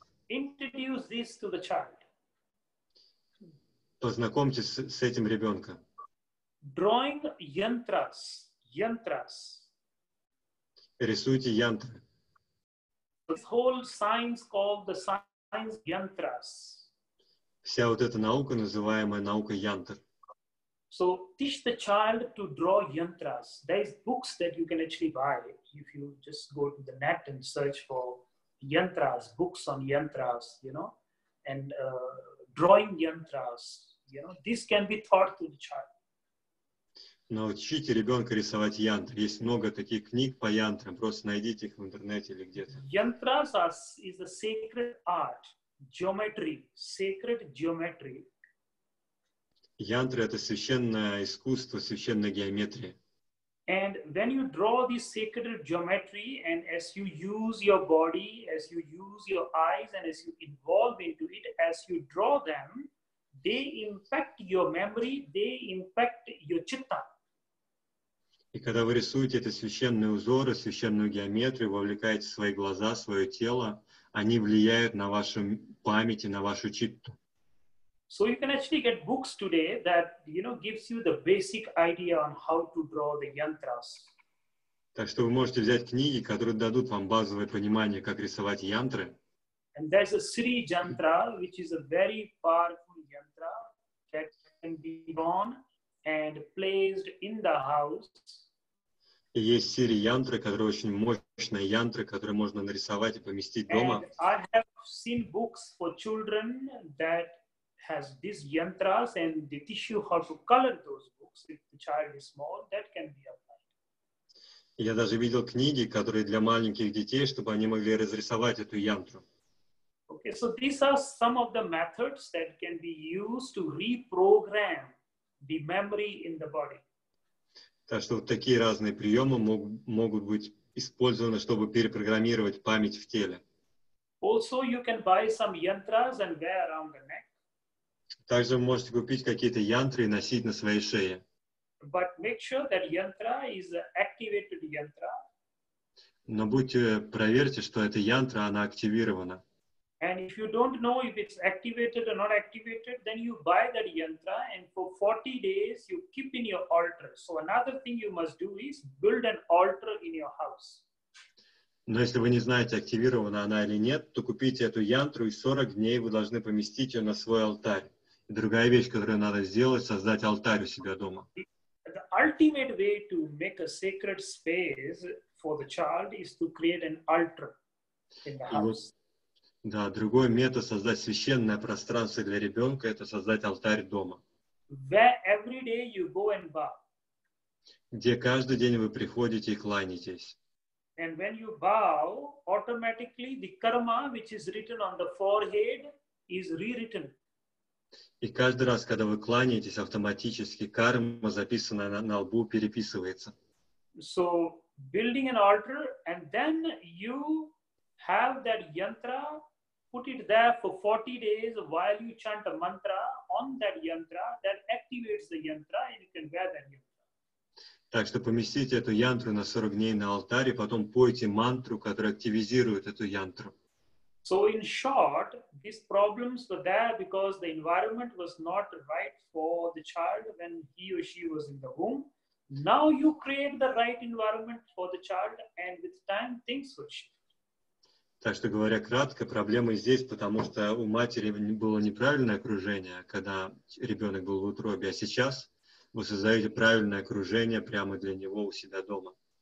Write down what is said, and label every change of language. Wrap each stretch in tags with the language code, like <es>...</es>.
<en>Introduce this to the child.</en> <ru>Познакомьтесь с этим ребенком.</ru> <en>Drawing yantras.</en> <ru>Рисуйте янтры.</ru> <en>This whole science called the science yantras.</en> <ru>Вся вот эта наука, называемая наука янтр.</ru> <en>So teach the child to draw yantras. There is books that you can actually buy if you just go to the net and search for yantras, books on yantras, you know, and drawing yantras. You know, this can be taught to the child.</en> <ru>Научите ребенка рисовать янтр. Есть много таких книг по янтрам. Просто найдите их в интернете или где-то.</ru> <en>Yantras is a sacred art. Geometry. Sacred geometry.</en> <ru>Янтры — это священное искусство, священная геометрия.</ru> <en>And when you draw this sacred geometry, and as you use your body, as you use your eyes, and as you involve into it, as you draw them, they impact your memory, they impact your chitta.</en> <ru>И когда вы рисуете эти священные узоры, священную геометрию, вовлекаете свои глаза, свое тело, они влияют на вашу память и на вашу читту.</ru> <en>So you can actually get books today that, you know, gives you the basic idea on how to draw the yantras.</en> <ru>Так что вы можете взять книги, которые дадут вам базовое понимание, как рисовать янтры.</ru> <en>And there's a Sri Yantra, which is a very powerful yantra that can be drawn and placed in the house.</en> <ru>И есть Сири Янтра, которая очень мощная янтра, которую можно нарисовать и поместить</ru> <en>and</en> <ru>дома.</ru> <en>I have seen books for children that has these yantras and they teach you how to color those books if the child is small, that can be applied.</en> <ru>Я даже видел книги, которые для маленьких детей, чтобы они могли разрисовать эту янтру.</ru> <en>Okay, so these are some of the methods that can be used to reprogram the memory in the body.</en> <ru>Так что вот такие разные приемы могут быть использованы, чтобы перепрограммировать память в теле. О,</ru> <en>Also, you can buy some yantras and wear around the neck.</en> <ru>Также вы можете купить какие-то янтры и носить на своей шее.</ru> <en>But make sure that yantra is activated yantra.</en> <ru>Но проверьте, что эта янтра, она активирована.</ru> <en>And if you don't know if it's activated or not activated, then you buy that yantra and for 40 days you keep in your altar. So another thing you must do is build an altar in your house.</en> <ru>Но если вы не знаете, активирована она или нет, то купите эту янтру и 40 дней вы должны поместить ее на свой алтарь. И другая вещь, которую надо сделать, создать алтарь у себя дома.</ru> <en>The ultimate way to make a sacred space for the child is to create an altar in the house.</en> <ru>Да, другой метод создать священное пространство для ребенка – это создать алтарь дома.</ru> <en>Where every day you go and bow.</en> <ru>Где каждый день вы приходите и кланяетесь.</ru> <en>And when you bow, automatically the karma, which is written on the forehead, is rewritten.</en> <ru>И каждый раз, когда вы кланяетесь, автоматически карма, записанная на лбу, переписывается.</ru> <en>So, building an altar, and then you have that yantra, put it there for 40 days while you chant a mantra on that yantra, that activates the yantra, and you can wear that yantra.</en> <ru>Так что поместите эту янтру на 40 дней на алтарь, и потом пойте мантру, которая активизирует эту янтру.</ru> <en>So in short, these problems were there because the environment was not right for the child when he or she was in the womb. Now you create the right environment for the child and with time things will shift.</en> <ru>Так что говоря кратко, проблемы здесь, потому что у матери было неправильное окружение, когда ребенок был в утробе, а сейчас вы создаете правильное окружение прямо для него у себя дома.</ru>